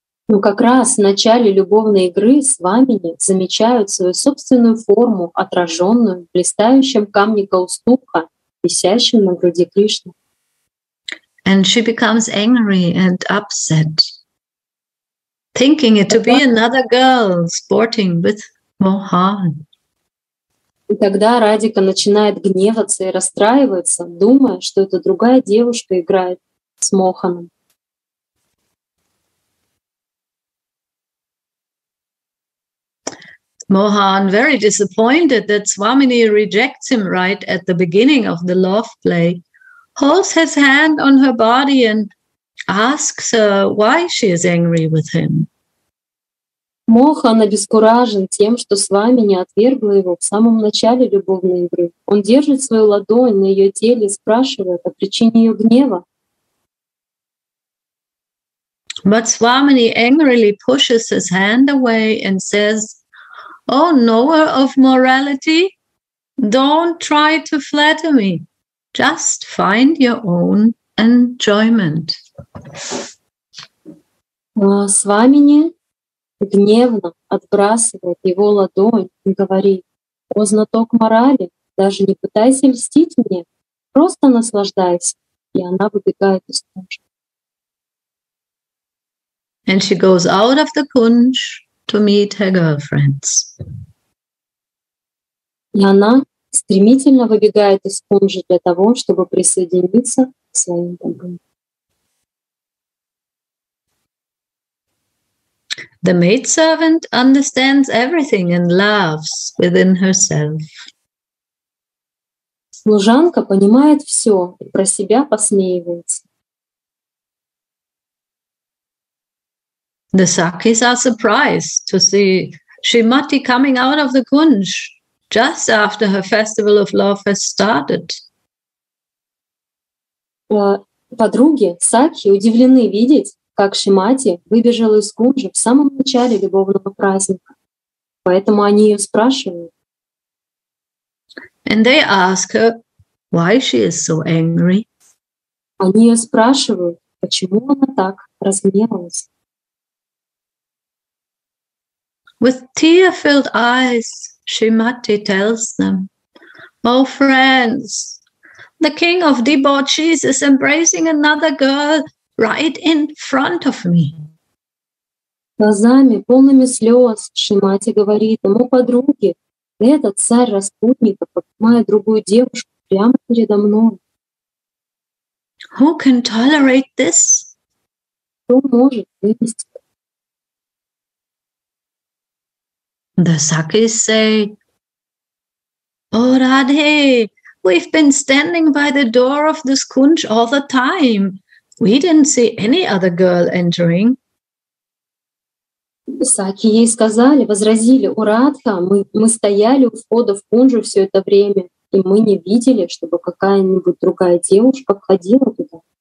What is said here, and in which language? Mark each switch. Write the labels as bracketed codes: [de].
[ru] Ну, как раз в начале любовной игры Свамини замечают свою собственную форму, отраженную в блистающем камне Каустубха, висящем на груди Кришны. [en] And she becomes angry and upset, thinking it to be another girl sporting with Mohan. [ru] И тогда Радика начинает гневаться и расстраиваться, думая, что это другая девушка играет с Моханом. [en] Mohan very disappointed that Swamini rejects him right at the beginning of the love play, holds his hand on her body and asks her why she is angry with him. [ru] Мохан обескуражен тем, что Свамини отвергла его в самом начале любовной игры. Он держит свою ладонь на ее теле, спрашивает о причине ее гнева. [en] But Swamini angrily pushes his hand away and says, "O knower of morality, don't try to flatter me. Just find your own enjoyment." [ru] Свамини гневно отбрасывает его ладонь и говорит: «О знаток морали, даже не пытайся льстить мне, просто наслаждайся», и она выбегает из кожи. [en] And she goes out of the kunj to meet her girlfriends. [ru] И она стремительно выбегает из кунжа для того, чтобы присоединиться к своим подругам. [en] The maidservant understands everything and laughs within herself. [ru] Служанка понимает все и про себя посмеивается. [en] The sakis are surprised to see Shrimati coming out of the kunj just after her festival of love has started. [ru] Подруги сакхи удивлены видеть, как Шимати выбежала из кунжа в самом начале любовного праздника. Поэтому они ее спрашивают. [en] And they ask her why she is so angry. [ru] Они ее спрашивают, почему она так разгневалась. [en] With tear-filled eyes, Shrimati tells them, "Oh, friends, the king of debauchees is embracing another girl right in front of me." [ru] Глазами, полными слез, Шримати говорит ему, подруги, этот царь распутника поднимает другую девушку прямо передо мной. [en] Who can tolerate this? [ru] Кто может вынести? [en] The sakis say, "Oh, Radhe, we've been standing by the door of this kunj all the time. We didn't see any other girl entering." [ru] Саки ей сказали, возразили, "О, Радха, мы стояли у входа в кунжу все это время, и мы не видели, чтобы какая-нибудь другая девушка входила туда."